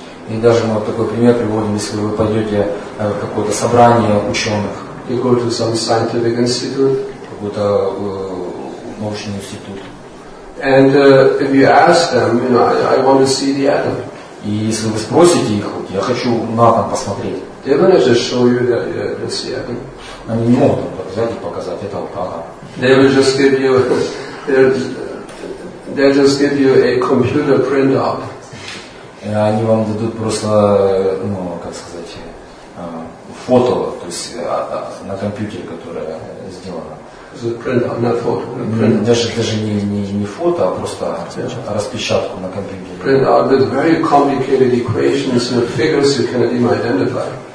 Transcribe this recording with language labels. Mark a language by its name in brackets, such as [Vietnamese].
[Russian] И даже мы вот такой пример приводим, если вы пойдете в какое-то собрание ученых. [English] You go to some scientific institute. [Russian] Какой-то научный институт. [English] And if you ask them, you know, I want to see the atom. [Russian] И если вы спросите их, вот, я хочу на атом посмотреть. [English] They will just show you the atom. [Russian] Они не могут вот, взять и показать, это вот атом. [English] They will just give you a computer printout. [Russian] Они вам дадут просто, ну, как сказать, фото, то есть на компьютере, которое сделано. Даже не фото, а просто распечатку на компьютере. [English] Printout with very complicated equations and figures you cannot even identify.